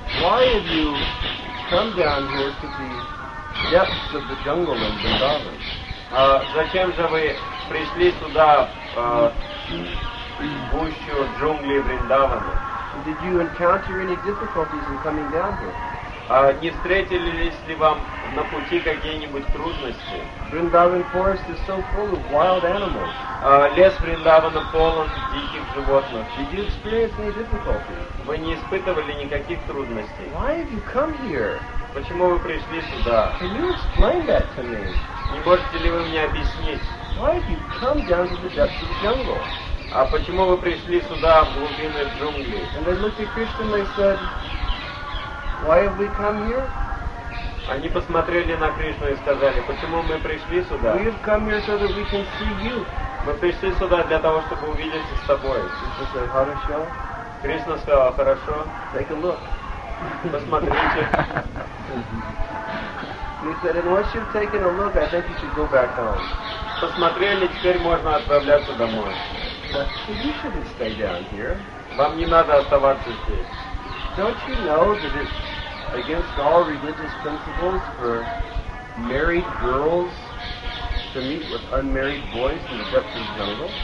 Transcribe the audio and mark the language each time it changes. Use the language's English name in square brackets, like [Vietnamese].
[English] Why have you come down here to the depths of the jungle in Vrindavan? [Russian] Зачем же вы пришли сюда, в гущу джунглей Вриндавана? [English] Did you encounter any difficulties in coming down here? [Russian] Не встретились ли вам на пути какие-нибудь трудности? [English] Vrindavan forest is so full of wild animals. [Russian] Лес Вриндавана полон диких животных. [English] Did you experience any difficulties? [Russian] Вы не испытывали никаких трудностей? [English] Why have you come here? [Russian] Почему вы пришли сюда? [English] Can you explain that to me? [Russian] Не можете ли вы мне объяснить? [English] Why have you come down to the depths of the jungle? [Russian] А почему вы пришли сюда, в глубины джунглей? [English] And they looked at Krishna and they said, why have we come here? [Russian] Они посмотрели на Кришну и сказали, почему мы пришли сюда? [English] We have come here so that we can see you. [Russian] Мы пришли сюда для того, чтобы увидеться с тобой. [English] Krishna said, [Russian] хорошо. Кришна сказал, хорошо. [English] Take a look. [Russian] Посмотрите. [English] He said, and once you've taken a look, I think you should go back home. [Russian] Посмотрели, теперь можно отправляться домой. [English] But you shouldn't stay down here. [Russian] Вам не надо оставаться здесь. [English] Don't you know that it's against all religious principles for married girls to meet with unmarried boys in the depths of the jungle?